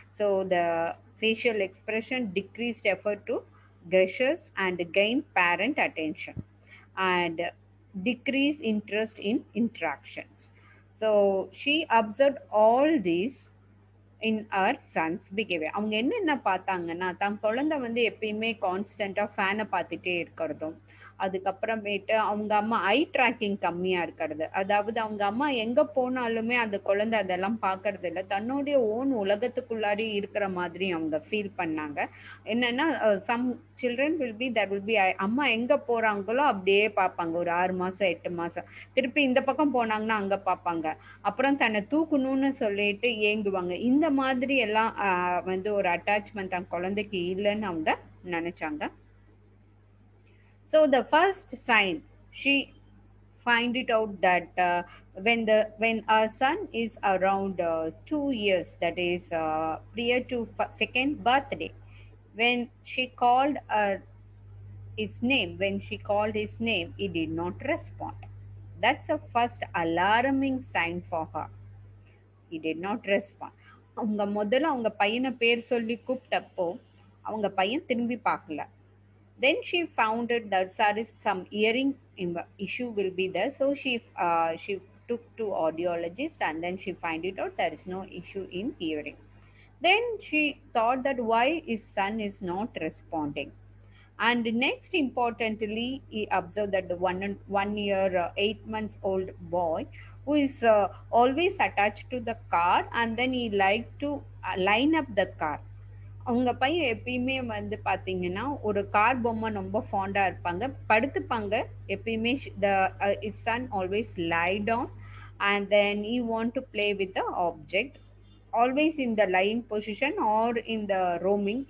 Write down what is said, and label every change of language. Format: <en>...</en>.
<en>So the facial expression, decreased effort to gestures and gain parent attention, and decreased interest in interactions. So she observed all these in her son's behavior.</en> <ta>அவங்க என்னென்ன பார்த்தாங்கன்னா, தன் குழந்தை வந்து எப்பயுமே கான்ஸ்டண்ட்டாக ஃபேனை பார்த்துட்டே இருக்கிறதும், அதுக்கப்புறமேட்டு அவங்க அம்மா ஐ ட்ராக்கிங் கம்மியாக இருக்கிறது, அதாவது அவங்க அம்மா எங்கே போனாலுமே அந்த குழந்தை அதெல்லாம் பார்க்கறது இல்லை, தன்னுடைய ஓன் உலகத்துக்குள்ளாடி இருக்கிற மாதிரி அவங்க ஃபீல் பண்ணாங்க. என்னென்னா,</ta> <en>some children will be</en> <ta>Dhar will be அம்மா எங்கே போகிறாங்களோ அப்படியே பார்ப்பாங்க. ஒரு 6 மாதம் 8 மாதம் திருப்பி இந்த பக்கம் போனாங்கன்னா அங்கே பார்ப்பாங்க, அப்புறம் தன்னை தூக்கணும்னு சொல்லிட்டு ஏங்குவாங்க. இந்த மாதிரி எல்லாம் வந்து ஒரு அட்டாச்மெண்ட் தன் குழந்தைக்கு இல்லைன்னு அவங்க நினச்சாங்க.</ta> <en>So the first sign she find it out that when our son is around 2 years, that is prior to second birthday, when she called his name, he did not respond. That's a first alarming sign for her. He did not respond.</en> <ta>அவங்க முதல்ல அவங்க பையனை பேர் சொல்லி கூப்பிட்டப்போ அவங்க பையன் திரும்பி பார்க்கல.</ta> <en>Then she found it that there is some hearing issue will be there. So she took to audiologist, and then she find it out there is no issue in hearing. Then she thought that why his son is not responding. And next importantly, he observed that the 1 year, 8 months old boy who is always attached to the car, and then he liked to line up the car.</en> <ta>அவங்க பையன் எப்பயுமே வந்து பார்த்தீங்கன்னா ஒரு car பொம்மை ரொம்ப ஃபாண்டாக இருப்பாங்க, படுத்துப்பாங்க எப்பயுமே.</ta> <en>The is son always lie down and then you want to play with the object always in the lying position or in the roaming.</en>